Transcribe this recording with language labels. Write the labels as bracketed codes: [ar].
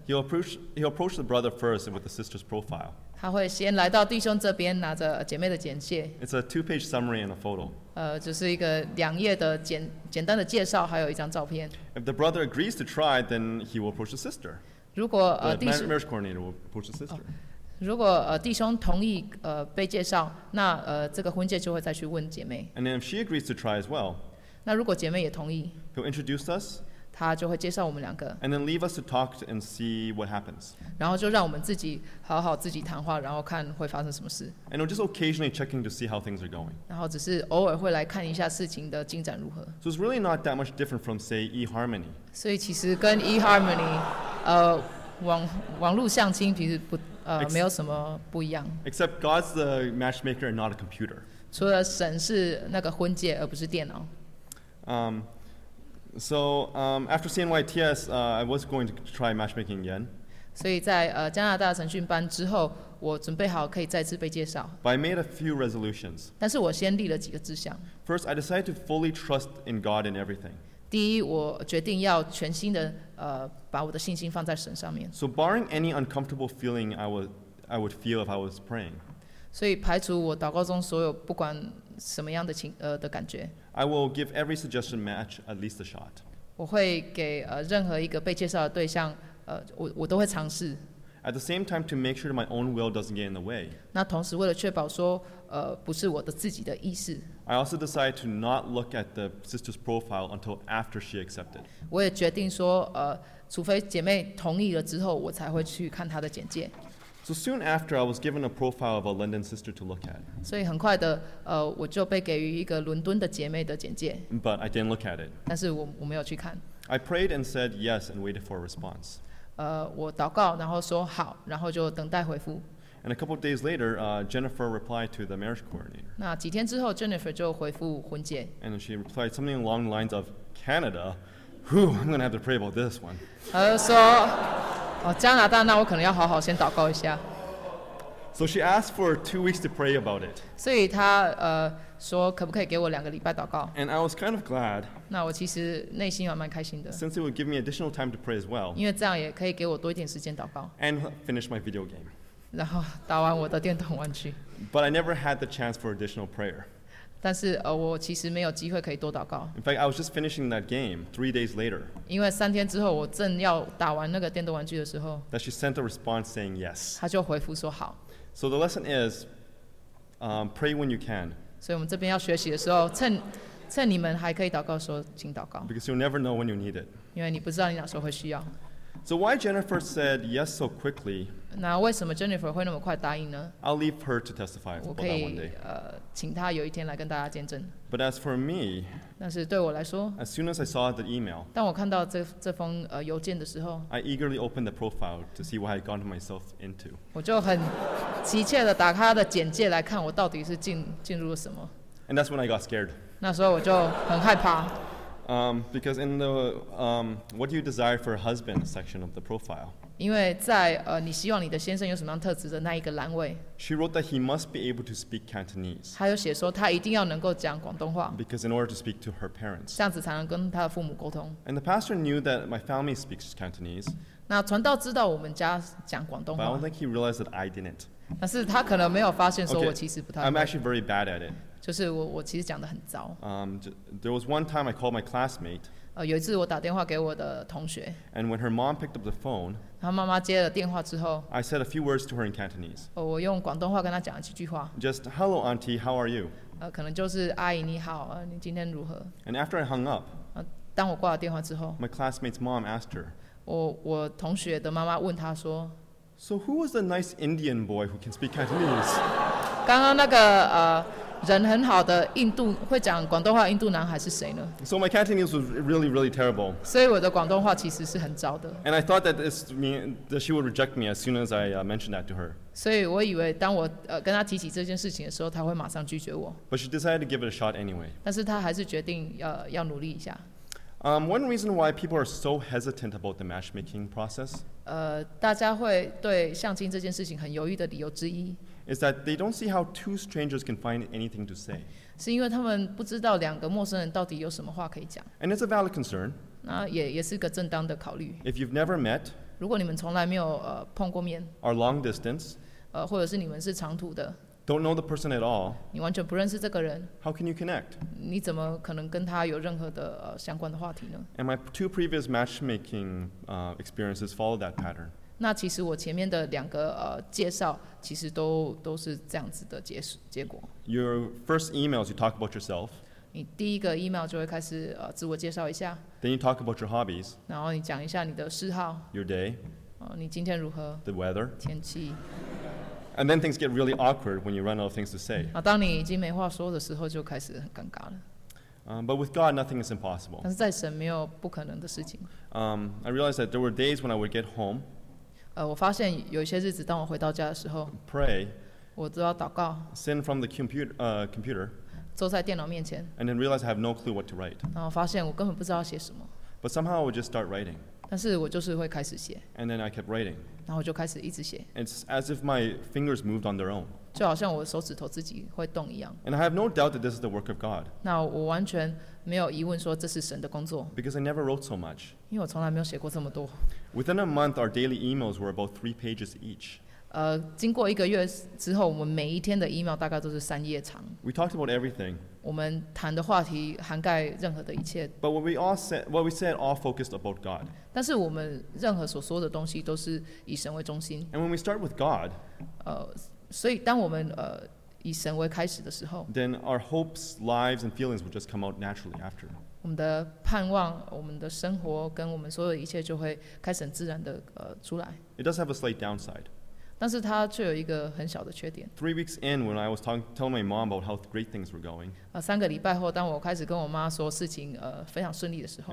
[en] ，he'll approach the brother first with the sister's profile. [zh] 他会先来到弟兄这边拿着姐妹的简介。 [en] It's a two-page summary and a photo. [zh] 就是一个两页的简单的介绍，还有一张照片。 [en] If the brother agrees to try, then he will approach the sister. [zh] 如果 [en] marriage coordinator will push the sister. [zh] 如果弟兄同意被介绍，那这个婚介就会再去问姐妹。 [en] And then if she agrees to try as well, [zh] 那如果姐妹也同意， [en] he'll introduce us. [zh] 他就会介绍我们两个。 [en] And then leave us to talk and see what happens. [zh] 然后就让我们自己好好自己谈话，然后看会发生什么事。 [en] And we'll just occasionally checking to see how things are going. [zh] 然后只是偶尔会来看一下事情的进展如何。 [en] So it's really not that much different from say eHarmony. [zh] 所以其实跟eHarmony网路相亲其实没有什么不一样。 [en] Except God's the matchmaker and not a computer. [zh] 除了神是那个婚介而不是电脑。 [en] So after CNYTS, I was going to try matchmaking again. [zh] 所以在 加拿大审讯班之后，我准备好可以再次被介绍。 [en] But I made a few resolutions. [zh] 但是我先立了几个志向。 [en] First, I decided to fully trust in God in everything. [zh] 第一，我决定要全心的把我的信心放在神上面。 [en] So barring any uncomfortable feeling I would feel if I was praying. [zh] 所以排除我祷告中所有不管什么样的情的感觉。 [en] I will give every suggestion match at least a shot. [zh] 我会给任何一个被介绍的对象我都会尝试。 [en] At the same time, to make sure my own will doesn't get in the way. [zh] 那同时为了确保说不是我的自己的意思。 [en] I also decided to not look at the sister's profile until after she accepted. [zh] 我也决定说除非姐妹同意了之后，我才会去看她的简介。 [en] So soon after, I was given a profile of a London sister to look at. [zh] 所以很快的，我就被给予一个伦敦的姐妹的简介。 [en] But I didn't look at it. [zh] 但是我没有去看。 [en] I prayed and said yes and waited for a response. [zh] 我祷告，然后说好，然后就等待回复。 [en] And a couple of days later, Jennifer replied to the marriage coordinator. [zh] 那几天之后 ，Jennifer 就回复婚介。 [en] And she replied something along the lines of Canada. Whew, I'm going to have to pray about this one. [zh] 她就说。哦，加拿大，那我可能要好好先祷告一下。 [en] So she asked for 2 weeks to pray about it. [zh] 所以她说可不可以给我两个礼拜祷告 [en] ？And I was kind of glad. [zh] 那我其实内心还蛮开心的。 [en] Since it would give me additional time to pray as well. [zh] 因为这样也可以给我多一点时间祷告。 [en] And finish my video game. [zh] 然后打完我的电动玩具。 [en] But I never had the chance for additional prayer. [zh] 但是我其实没有机会可以多祷告。 [en] In fact, I was just finishing that game 3 days later. [zh] 因为三天之后，我正要打完那个电动玩具的时候 [en] ，That she sent a response saying yes. [zh] 她就回复说好。 [en] So the lesson is, pray when you can. [zh] 所以我们这边要学习的时候，趁你们还可以祷告的时候，请祷告。 [en] Because you'll never know when you need it. [zh] 因为你不知道你哪时候会需要。 [en] So why Jennifer said yes so quickly? [zh] 那为什么 Jennifer 会那么快答应呢？ [en] I'll leave her to testify about that one day. [zh] 我可以请她有一天来跟大家见证。 [en] But as for me, [zh] 但是对我来说， [en] as soon as I saw the email, [zh] 当我看到这封邮件的时候， [en] I eagerly opened the profile to see what I had gotten myself into. [zh] 我就很急切地打开她的简介来看我到底是进入了什么。 [en] And that's when I got scared. [zh] 那时候我就很害怕。 [en] Because in the what do you desire for a husband section of the profile? [zh] 因为在你希望你的先生有什么样特质的那一个栏位。 [en] She wrote that he must be able to speak Cantonese. [zh] 她有写说她一定要能够讲广东话。 [en] Because in order to speak to her parents. [zh] 这样子才能跟她的父母沟通。 [en] And the pastor knew that my family speaks Cantonese. [zh] 那传道知道我们家讲广东话。 [en] But I don't think he realized that I didn't. [zh] 但是他可能没有发现说我其实不太会。 [en] Okay, I'm actually very bad at it. [zh] 就是我其实讲得很糟。 [en] There was one time I called my classmate. [zh] 有一次我打电话给我的同学。 [en] And when her mom picked up the phone, [zh] 她妈妈接了电话之后， [en] I said a few words to her in Cantonese. [zh] 我用广东话跟她讲了几句话。 [en] Just hello, auntie, how are you? [zh] 可能就是阿姨你好，你今天如何 [en] ？And after I hung up, [zh] 当我挂了电话之后 [en] ，my classmate's mom asked her. [zh] 我同学的妈妈问她说 [en] ，So who was the nice Indian boy who can speak Cantonese? [zh] 刚刚那个人很好的印度会讲广东话印度男孩是谁呢 [en] ？So my Cantonese was really, really terrible. [zh] 所以我的广东话其实是很糟的。 [en] And I thought that this mean that she would reject me as soon as I mentioned that to her. [zh] 所以我以为当我跟她提起这件事情的时候，她会马上拒绝我。 [en] But she decided to give it a shot anyway. [zh] 但是她还是决定要努力一下。 [en] One reason why people are so hesitant about the matchmaking process. [zh] 大家会对相亲这件事情很犹豫的理由之一。 [en] Is that they don't see how two strangers can find anything to say. [zh] 是因为他们不知道两个陌生人到底有什么话可以讲。 [en] And it's a valid concern. [zh] 那也是个正当的考虑。 [en] If you've never met, [zh] 如果你们从来没有碰过面 [en] or long distance, [zh] 或者是你们是长途的 [en] don't know the person at all, [zh] 你完全不认识这个人 [en] how can you connect? [zh] 你怎么可能跟他有任何的相关的话题呢 [en] And my two previous matchmaking experiences follow that pattern. [zh] 那其实我前面的两个介绍，其实都是这样子的结果。 [en] Your first emails, you talk about yourself. [zh] 你第一个 email 就会开始自我介绍一下。 [en] Then you talk about your hobbies. [zh] 然后你讲一下你的嗜好。 [en] Your day. [zh] 你今天如何 [en] ？The weather. [zh] 天气。 [en] And then things get really awkward when you run out of things to say. [zh] 当你已经没话说的时候，就开始很尴尬了。 [en] But with God, nothing is impossible. [zh] 但是在神没有不可能的事情。 [en] I realized that there were days when I would get home. [zh] 我发现有一些日子，当我回到家的时候 [en] ，pray， [zh] 我都要祷告 [en] ，send from the computer， [zh] 坐在电脑面前。 [en] And then realize I have no clue what to write. [zh] 然后发现我根本不知道写什么。 [en] But somehow I would just start writing. [zh] 但是我就是会开始写。 [en] And then I kept writing. [zh] 然后我就开始一直写。 [en] It's as if my fingers moved on their own. [zh] 就好像我手指头自己会动一样。 [en] And I have no doubt that this is the work of God. [zh] 那我完全没有疑问说这是神的工作。 [en] Because I never wrote so much. [zh] 因为我从来没有写过这么多。 [en] Within a month, our daily emails were about 3 pages each. [zh] 经过一个月之后，我们每一天的 email 大概都是三页长。 [en] We talked about everything. [zh] 我们谈的话题涵盖任何的一切。 [en] But what we said all focused about God. [zh] 但是我们任何所说的东西都是以神为中心。 [en] And when we start with God, [zh] 所以当我们以神为开始的时候 [en] ，then our hopes, lives, and feelings will just come out naturally after. [zh] 我们的盼望、我们的生活跟我们所有的一切就会开始很自然的出来。 [en] It does have a slight downside. [zh] 但是它却有一个很小的缺点。 [en] 3 weeks in, when I was telling my mom about how great things were going. [zh] 三个礼拜后，当我开始跟我妈说事情非常顺利的时候